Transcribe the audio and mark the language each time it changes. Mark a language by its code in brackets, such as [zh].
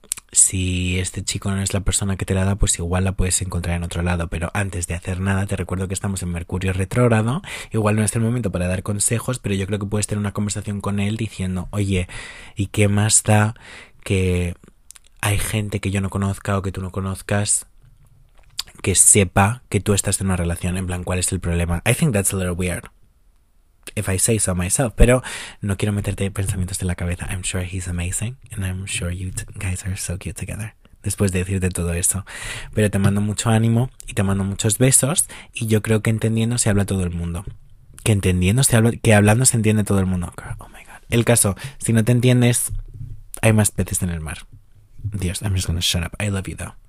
[es] si este chico no es la persona que te la da, pues igual la puedes encontrar en otro lado, pero antes de hacer nada, te recuerdo que estamos en Mercurio retrógrado, igual no es el momento para dar consejos, pero yo creo que puedes tener una conversación con él diciendo, oye, ¿y qué más da? Que hay gente que yo no conozca o que tú no conozcas que sepa que tú estás en una relación, en plan, ¿cuál es el problema? [en] I think that's a little weird. If I say so myself, [es] pero no quiero meterte pensamientos en la cabeza. [en] I'm sure he's amazing and I'm sure you guys are so cute together. [es] Después de decirte todo eso, pero te mando mucho ánimo y te mando muchos besos y yo creo que entendiendo se habla todo el mundo. Que entendiendo se habla, que hablando se entiende todo el mundo. [en] Girl, oh my God. [es] El caso, si no te entiendes, hay más peces en el mar. [en] Dios, I'm just gonna shut up. I love you though.